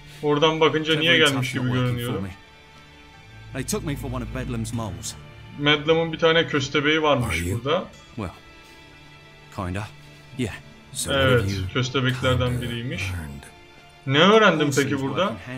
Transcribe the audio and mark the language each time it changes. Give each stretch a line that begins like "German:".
Turkish: Oradan bakınca niye gelmiş gibi görünüyorum.
English: They took me for one of Bedlam's moles.
Turkish: Bedlam'ın bir tane köstebeği varmış burada.
English: Well, kinda. Yeah.
Turkish: Evet, köstebeklerden biriymiş. Ne öğrendim peki burada?